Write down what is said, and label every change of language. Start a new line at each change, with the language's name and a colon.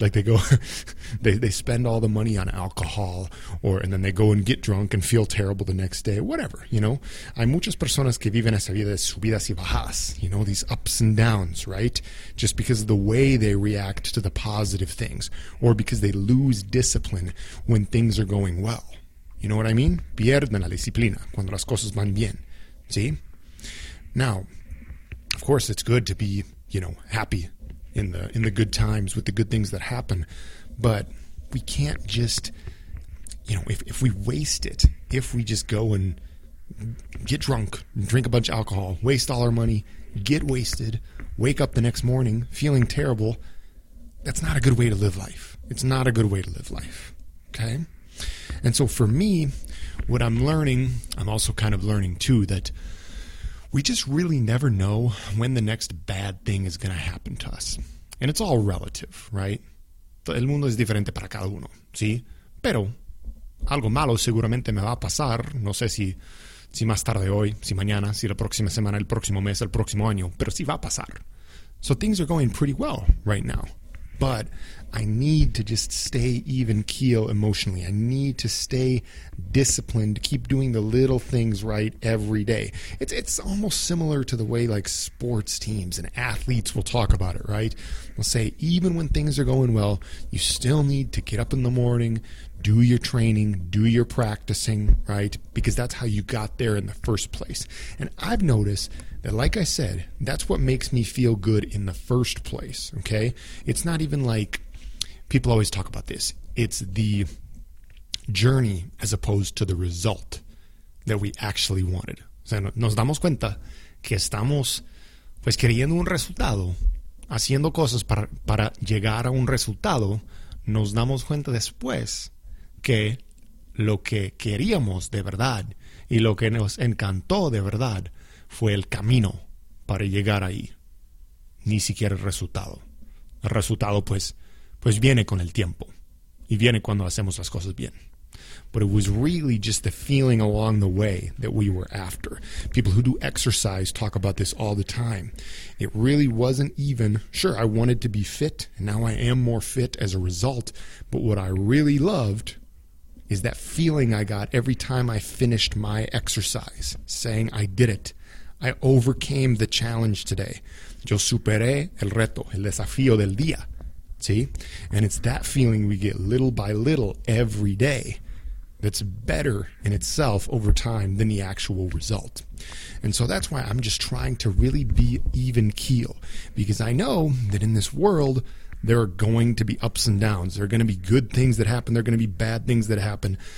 English: Like they go, they spend all the money on alcohol, or and then they go and get drunk and feel terrible the next day, whatever, you know?
Spanish: Hay muchas personas que viven esa vida de subidas y bajas,
English: you know, these ups and downs, right? Just because of the way they react to the positive things, or because they lose discipline when things are going well. You know what I mean?
Spanish: Pierden la disciplina cuando las cosas van bien.
English: See? Now, of course, it's good to be, you know, happy in the good times with the good things that happen. But we can't just, you know, if we waste it, if we just go and get drunk, drink a bunch of alcohol, waste all our money, get wasted, wake up the next morning feeling terrible, that's not a good way to live life. It's not a good way to live life. Okay? And so for me, what I'm learning, I'm also kind of learning too, that we just really never know when the next bad thing is going to happen to us. And it's all relative, right?
Spanish: El mundo es diferente para cada uno, ¿sí? Pero algo malo seguramente me va a pasar, no sé si más tarde hoy, si mañana, si la próxima semana, el próximo mes, el próximo año, pero sí va a pasar.
English: So things are going pretty well right now. But I need to just stay even keel emotionally. I need to stay disciplined, keep doing the little things right every day. It's almost similar to the way like sports teams and athletes will talk about it, right? They'll say, even when things are going well, you still need to get up in the morning, do your training, do your practicing, right? Because that's how you got there in the first place. And I've noticed that, like I said, that's what makes me feel good in the first place, okay? It's not even like people always talk about this. It's the journey as opposed to the result that we actually wanted.
Spanish: O sea, nos damos cuenta que estamos pues queriendo un resultado, haciendo cosas para llegar a un resultado. Nos damos cuenta después que lo que queríamos de verdad y lo que nos encantó de verdad fue el camino para llegar ahí. Ni siquiera el resultado. El resultado, pues viene con el tiempo. Y viene cuando hacemos las cosas bien.
English: But it was really just the feeling along the way that we were after. People who do exercise talk about this all the time. It really wasn't even, sure, I wanted to be fit, and now I am more fit as a result. But what I really loved is that feeling I got every time I finished my exercise, saying I did it. I overcame the challenge today.
Spanish: Yo superé el reto, el desafío del día.
English: See? And it's that feeling we get little by little every day that's better in itself over time than the actual result. And so that's why I'm just trying to really be even keel. Because I know that in this world, There are going to be ups and downs. There are going to be good things that happen. There are going to be bad things that happen.